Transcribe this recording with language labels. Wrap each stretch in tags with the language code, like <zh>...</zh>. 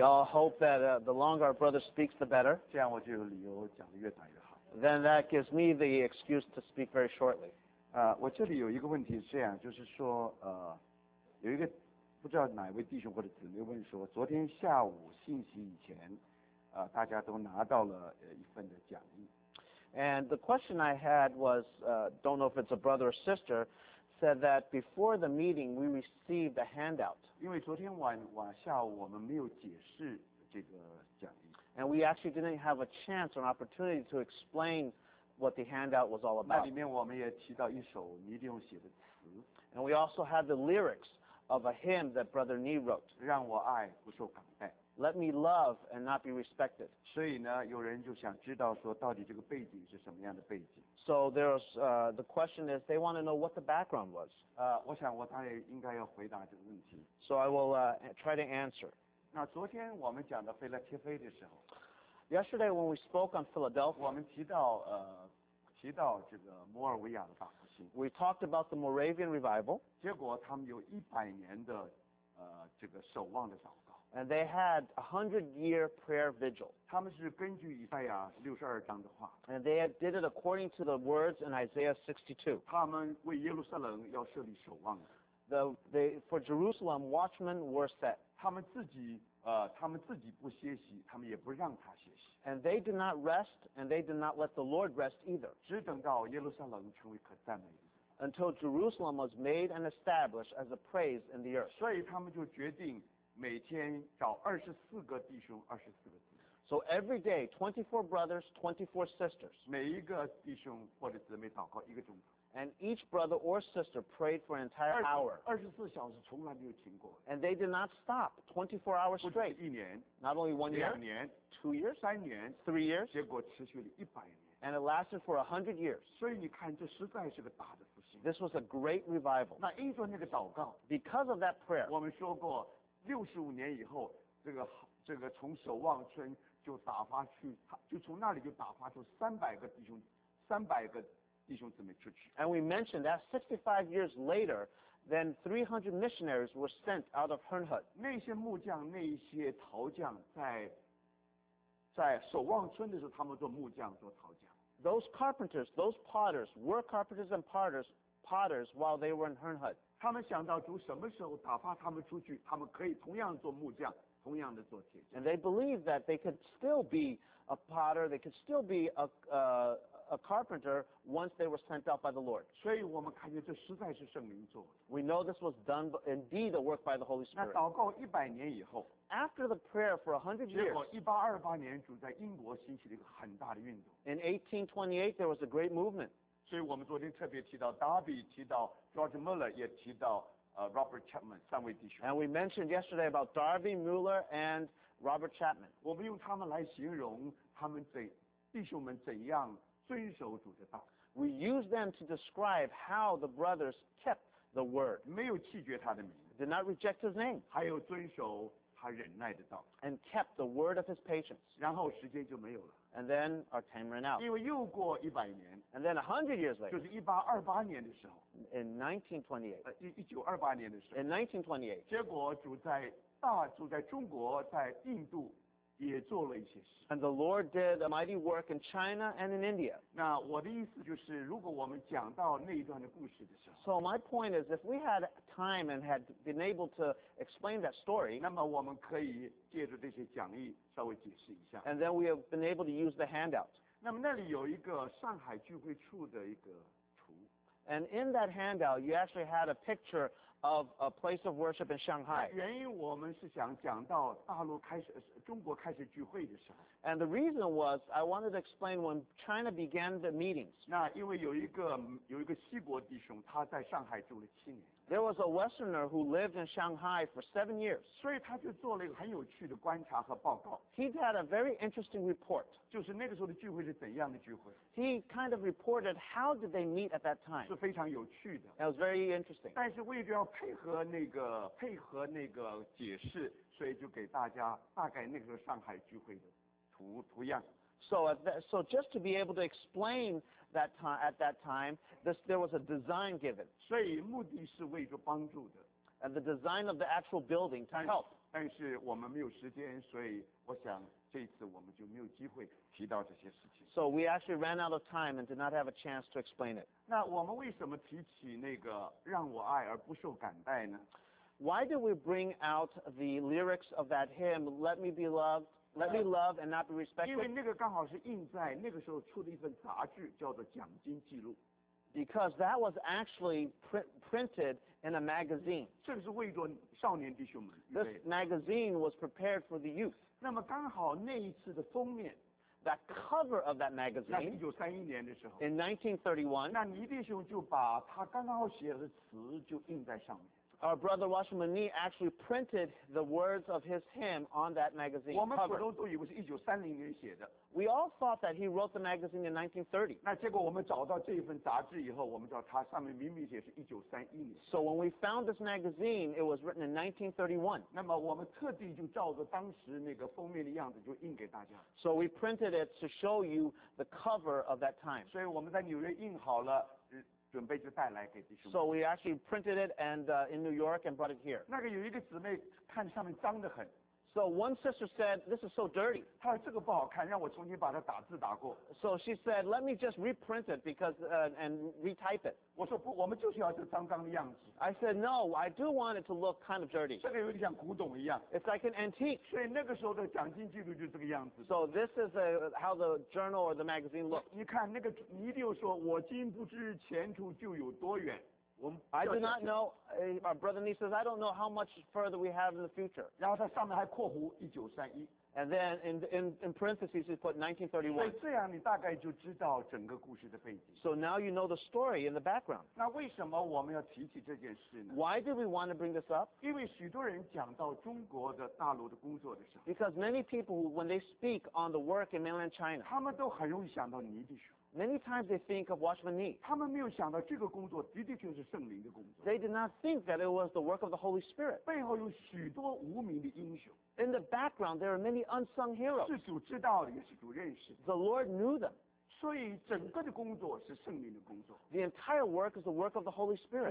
<en>all hope that the longer our brother speaks, the better. Then that gives me the excuse to speak very shortly.</en> <zh>我这里有一个问题是这样，就是说，有一个 不知道哪位弟兄或者姊妹问说，昨天下午信息以前，大家都拿到了一份的讲义。</zh> <en>And the question I had was, don't know if it's a brother or sister, said that before the meeting we received a handout.</en> <zh>因为昨天晚下午我们没有解释这个讲义。</zh> <en>And we actually didn't have a chance or an opportunity to explain what the handout was all about.</en> <zh>那里面我们也提到一首尼弟兄写的词。</zh> <en>And we also had the lyrics of a hymn that Brother Nee wrote.</en> <zh>让我爱不受感慨。</zh> <en>Let me love and not be respected.</en> <zh>所以呢，有人就想知道说，到底这个背景是什么样的背景。</zh> <en>So there's the question is they want to know what the background was.</en> <zh>我想我当然应该要回答这个问题。</zh> <en>So I will try to answer.</en> <zh>那昨天我们讲到腓勒帖腓的时候</zh> <en>，Yesterday when we spoke on Philadelphia，</en> <zh>我们提到这个摩尔维亚的大复兴。</zh> <en>We talked about the Moravian revival.</en> <zh>结果他们有一百年的这个守望的祷告。</zh> <en>And they had a 100-year prayer vigil.</en> <zh>他们是根据以赛亚六十二章的话。</zh> <en>And they did it according to the words in Isaiah 62.</en> <zh>他们为耶路撒冷要设立守望。</zh> <en>For Jerusalem, watchmen were set.</en> <zh>他们自己不歇息，他们也不让他歇息。</zh> <en>And they did not rest, and they did not let the Lord rest either.</en> <zh>只等到耶路撒冷成为可赞美的。</zh> <en>Until Jerusalem was made and established as a praise in the earth.</en> <zh>所以他们就决定。每天找二十四个弟兄，二十四个姊妹。</zh> <en>So every day, 24 brothers, 24 sisters.</en> <zh>每一个弟兄或者姊妹祷告一个钟头。</zh> <en>And each brother or sister prayed for an entire hour.</en> <zh>二十四小时从来没有停过。</zh> <en>And they did not stop 24 hours straight.</en> <zh>不止一年。</zh> <en>Not only one year.</en> <zh>两年。</zh> <en>Two years.</en> <zh>三年。</zh> <en>Three years.</en> <zh>结果持续了一百年。</zh> <en>And it lasted for 100 years.</en> <zh>所以你看，这实在是个大的复兴。</zh> <en>This was a great revival.</en> <zh>那因着那个祷告。</zh> <en>Because of that prayer.</en> <zh>我们说过。六十五年以后，这个从守望村就打发去，就从那里就打发出三百个弟兄姊妹出去。</zh> <en>And we mentioned that 65 years later, then 300 missionaries were sent out of Hernhut.</en> <zh>那些木匠、那些陶匠在守望村的时候，他们做木匠、做陶匠。</zh> <en>Those carpenters, those potters were carpenters and potters while they were in Hernhut.</en> <zh>他们想到主什么时候打发他们出去，他们可以同样做木匠，同样的做铁匠。</zh> <en>And they believed that they could still be a potter, they could still be a carpenter once they were sent out by the Lord.</en> <zh>所以我们看见这实在是圣灵做的。</zh> <en>We know this was done indeed a work by the Holy Spirit.</en> <zh>那祷告一百年以后</zh> <en>，After the prayer for 100 years，</en> <zh>结果1828年主在英国兴起了一个很大的运动。</zh> <en>In 1828 there was a great movement.</en> <zh>所以我们昨天特别提到 Darby， 提到 George Muller， 也提到Robert Chapman 三位弟兄。</zh> <en>And we mentioned yesterday about Darby, Muller, and Robert Chapman.</en> <zh>我们用他们来形容他们怎弟兄们怎样遵守主的道。</zh> <en>We use them to describe how the brothers kept the word.</en> <zh>没有弃绝他的名。</zh> <en>Did not reject his name.</en> <zh>还有遵守他忍耐的道。</zh> <en>And kept the word of his patience.</en> <zh>然后时间就没有了。</zh> <en>And then our time ran out.</en> <zh>因为又过一百年。</zh> <en>And then 100 years later.</en> <zh>就是1828年的时候。</zh> <en>In 1928.</en> <zh>1928年的时候。</zh> <en>In 1928.</en> <zh>结果主在大主在中国在印度也做了一些事。</zh> <en>And the Lord did a mighty work in China and in India.</en> <zh>那我的意思就是如果我们讲到那一段的故事的时候。</zh> <en>So my point is if we had time and had been able to explain that story.</en> <zh>那么我们可以借助这些讲义。</zh> <en>And then we have been able to use the handout.</en> <zh>那么那里有一个上海聚会处的一个图。</zh> <en>And in that handout, you actually had a picture of a place of worship in Shanghai.</en> <zh>原因我们是想讲到大陆开始，中国开始聚会的时候。</zh> <en>And the reason was, I wanted to explain when China began the meetings.</en> <zh>那因为有一个西国弟兄，他在上海住了七年。</zh> <en>There was a Westerner who lived in Shanghai for 7 years.</en> <zh>所以他就做了一个很有趣的观察和报告。</zh> <en>He had a very interesting report.</en> <zh>就是那个时候的聚会是怎样的聚会。</zh> <en>He kind of reported how did they meet at that time.</en> <zh>是非常有趣的。</zh> <en>It was very interesting.</en> <zh>但是为了要配合那个解释，所以就给大家大概那个时候上海聚会的图样。</zh> <en>So just to be able to explain that time, at that time, this, there was a design given.</en> <zh>所以目的是为着帮助的。</zh> <en>And the design of the actual building to help.</en> <zh>但是我们没有时间，所以我想这一次我们就没有机会提到这些事情。</zh> <en>So we actually ran out of time and did not have a chance to explain it.</en> <zh>那我们为什么提起那个让我爱而不受感戴呢？</zh> <en>Why did we bring out the lyrics of that hymn, Let Me Be Loved? Let me love and not be respected.</en> <zh>因为那个刚好是印在那个时候出的一份杂志，叫做《奖金记录》。</zh> <en>Because that was actually printed in a magazine.</en> <zh>这个是为着少年弟兄们。</zh> <en>This magazine was prepared for the youth.</en> <zh>那么刚好那一次的封面。</zh> <en>That cover of that magazine.</en> <zh>那是1931年的时候。</zh> <en>In 1931.</en> <zh>那倪弟兄就把他刚刚好写的词就印在上面。</zh> <en>Our brother Washington Nee actually printed the words of his hymn on that magazine cover.</en> <zh>我们普通都以为是1930年写的。</zh> <en>We all thought that he wrote the magazine in 1930.</en> <zh>那结果我们找到这一份杂志以后，我们知道它上面明明写是1931年。</zh> <en>So when we found this magazine, it was written in 1931.</en> <zh>那么我们特地就照着当时那个封面的样子就印给大家。</zh> <en>So we printed it to show you the cover of that time.</en> <zh>所以我们在纽约印好了。准备就带来给弟兄们。</zh> <en>So we actually printed it and in New York and brought it here.</en> <zh>那个有一个姊妹看上面脏得很。</zh> <en>So one sister said, "This is so dirty."</en> <zh>她说这个不好看，让我重新把它打字打过。</zh> <en>So she said, "Let me just reprint it because and retype it."</en> <zh>我说不，我们就是要这脏脏的样子。</zh> <en>I said, "No, I do want it to look kind of dirty."</en> <zh>这个有点像古董一样。</zh> <en>It's like an antique.</en> <zh>所以那个时候的奖金记录就这个样子。</zh> <en>So this is how the journal or the magazine looked.</en> <zh>你看那个，你就说我今不知前途就有多远。</zh> <en>I do not know, my brother Nee says, I don't know how much further we have in the future.</en> <zh>然后他上面还括弧1931。</zh> <en>And then in parentheses he put 1931.</en> <zh>所以这样你大概就知道整个故事的背景。</zh> <en>So now you know the story in the background.</en> <zh>那为什么我们要提起这件事呢？</zh> <en>Why do we want to bring this up?</en> <zh>因为许多人讲到中国的大陆的工作的时候。</zh> <en>Because many people, when they speak on the work in mainland China.</en> <zh>他们都很容易想到倪弟兄。</zh> <en>Many times they think of Watchman Nee.</en> <zh>他们没有想到这个工作的的确是圣灵的工作。</zh> <en>They did not think that it was the work of the Holy Spirit.</en> <zh>背后有许多无名的英雄。</zh> <en>In the background, there are many unsung heroes.</en> <zh>是主知道的，也是主认识的。</zh> <en>The Lord knew them.</en> <zh>所以整个的工作是圣灵的工作。</zh> <en>The entire work is the work of the Holy Spirit.</en>